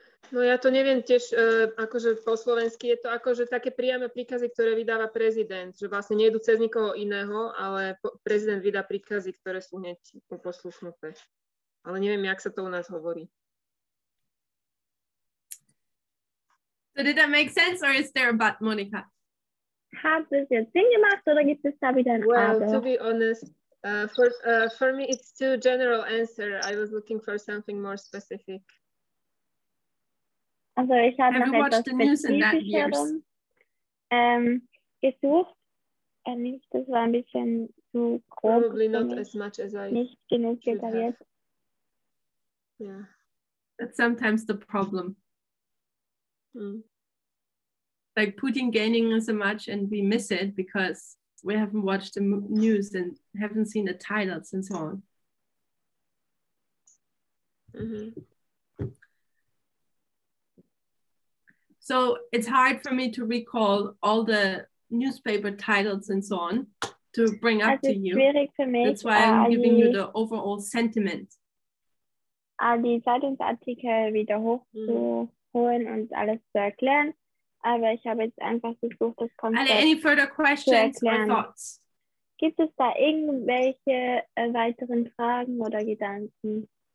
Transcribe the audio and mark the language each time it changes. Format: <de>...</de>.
<sk>No ja to neviem tiež, akože po slovensky je to akože také priame príkazy, ktoré vydáva prezident, že vlastne nejdu cez nikoho iného, ale prezident vydá príkazy, ktoré sú hneď poslušnuté. Ale neviem, jak sa to u nás hovorí.</sk> <en>So did that make sense or is there a but, Monika? Well, to be honest, for me it's too general answer. I was looking for something more specific.</en> <de>Also ich habe nach etwas Spezifischerem gesucht. Nicht, das war ein bisschen zu grob.</de> <en>Probably not as much as I</en> <de>nicht genug detailliert.</de> <en>Yeah. That's sometimes the problem. Mm. Like Putin gaining so much and we miss it because we haven't watched the news and haven't seen the titles and so on. Mm-hmm. So it's hard for me to recall all the newspaper titles and so on to bring up to you. That's why I'm giving you the overall sentiment.</en> <de>All die Zeitungsartikel wieder hochzuholen und alles zu erklären. Aber ich habe jetzt einfach versucht, das Konzept zu erklären.</de> <en>Any further questions or thoughts?</en> <de>Gibt es da irgendwelche weiteren Fragen oder Gedanken?</de>